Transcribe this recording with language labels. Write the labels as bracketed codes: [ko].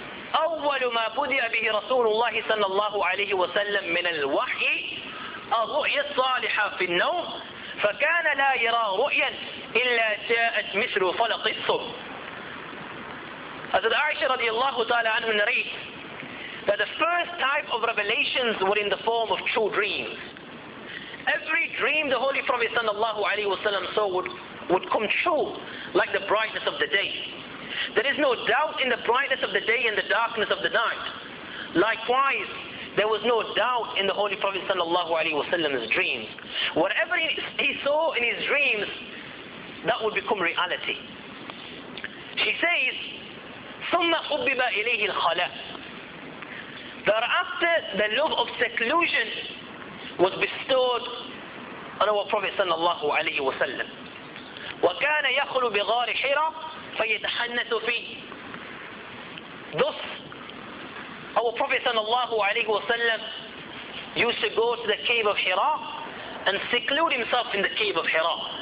[ar] أول ما بدأ به رسول الله صلى الله عليه وسلم من الوحي الرؤيا الصالحة في النوم فكان لا يرى رؤيا إلا جاءت مثل فلق الصبح. [en] Hazrat Aisha radiallahu ta'ala anhu narrates that the first type of revelations were in the form of true dreams. Every dream the Holy Prophet sallallahu alayhi wa sallam saw would come true, like the brightness of the day. There is no doubt in the brightness of the day and the darkness of the night. Likewise, there was no doubt in the Holy Prophet sallallahu alayhi wa sallam's dreams. Whatever he saw in his dreams, that would become reality. She says, [ar] ثُمَّ حُبِّبَ إِلَيْهِ الْخَلَىٰ. [en] Thereafter, the love of seclusion was bestowed on our Prophet sallallahu alayhi wa sallam. [ar] وَكَانَ يَخْلُ بِغَارِ حِرَىٰ فَيَتَحَنَّثُ فِيهِ. [en] Thus, our Prophet sallallahu alayhi wa sallam used to go to the cave of Hira and seclude himself in the cave of Hira.